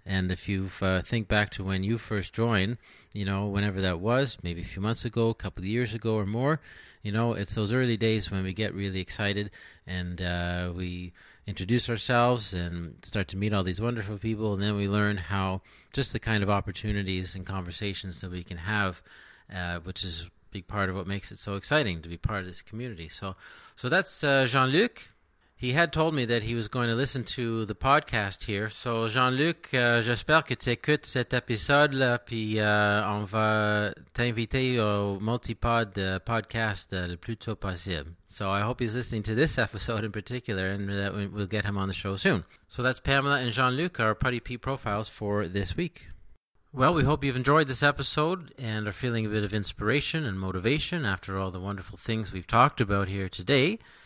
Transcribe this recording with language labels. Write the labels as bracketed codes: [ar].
[en] And if you think back to when you first joined, you know, whenever that was, maybe a few months ago, a couple of years ago or more, you know, it's those early days when we get really excited and we introduce ourselves and start to meet all these wonderful people. And then we learn how just the kind of opportunities and conversations that we can have, which is a big part of what makes it so exciting to be part of this community. So that's Jean-Luc. He had told me that he was going to listen to the podcast here. [fr] So Jean-Luc, j'espère que tu écoutes cet épisode-là, puis on va t'inviter au Multipod podcast le plus tôt possible. [en] So I hope he's listening to this episode in particular, and that we'll get him on the show soon. So that's Pamela and Jean-Luc, our Putty P profiles for this week. Well, we hope you've enjoyed this episode and are feeling a bit of inspiration and motivation after all the wonderful things we've talked about here today.